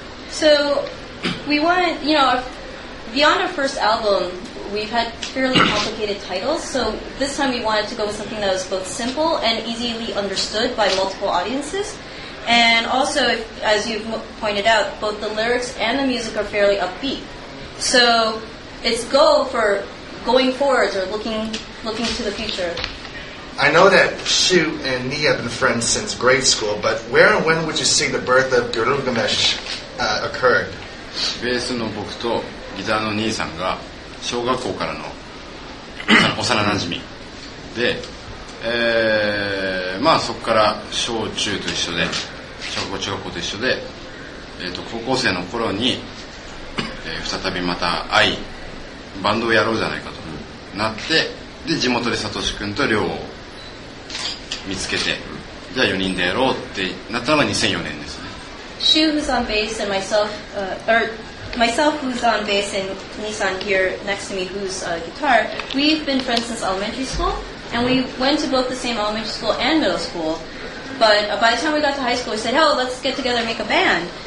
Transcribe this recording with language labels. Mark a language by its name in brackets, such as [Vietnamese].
[English] So we wanted, you know, beyond our first album we've had fairly complicated titles, so this time we wanted to go with something that was both simple and easily understood by multiple audiencesAnd also, as you've pointed out, both the lyrics and the music are fairly upbeat. So it's go for going forwards or looking to the future. I know that Shu and Nhi have been friends since grade school, but where and when would you say the birth of Gilgamesh occurred? [Japanese] ベースの僕とギターの兄さんが小学校からの幼馴染で、まあそこから小中と一緒で中学校と一緒で、高校生の頃に、再びまた会いバンドをやろうじゃないかとなって、で地元でサトシ君とリョウを見つけて、じゃあ4人でやろうってなったのが2004年ですね。 [English] Shu who's on bass and myself myself who's on bass and Nissan here next to me who's guitar, we've been friends since elementary school and we went to both the same elementary school and middle schoolBut by the time we got to high school, we said, oh, let's get together and make a band.